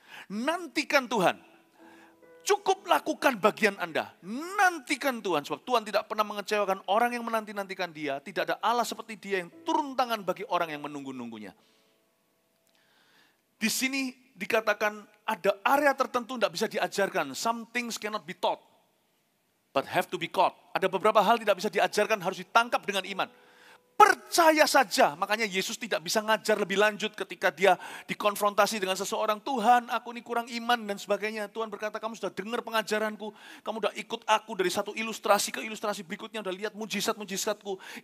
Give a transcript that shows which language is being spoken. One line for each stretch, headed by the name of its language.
Indonesian: Nantikan Tuhan. Cukup lakukan bagian Anda. Nantikan Tuhan, sebab Tuhan tidak pernah mengecewakan orang yang menanti-nantikan Dia. Tidak ada Allah seperti Dia yang turun tangan bagi orang yang menunggu-nunggunya. Di sini dikatakan ada area tertentu tidak bisa diajarkan.
English: Some things cannot be taught, but have to be caught.
Indonesian: Ada beberapa hal tidak bisa diajarkan, harus ditangkap dengan iman. Percaya saja, makanya Yesus tidak bisa ngajar lebih lanjut ketika Dia dikonfrontasi dengan seseorang, Tuhan aku ini kurang iman dan sebagainya. Tuhan berkata, kamu sudah dengar pengajaranku, kamu sudah ikut aku dari satu ilustrasi ke ilustrasi berikutnya, sudah lihat mujizat-mujizatku.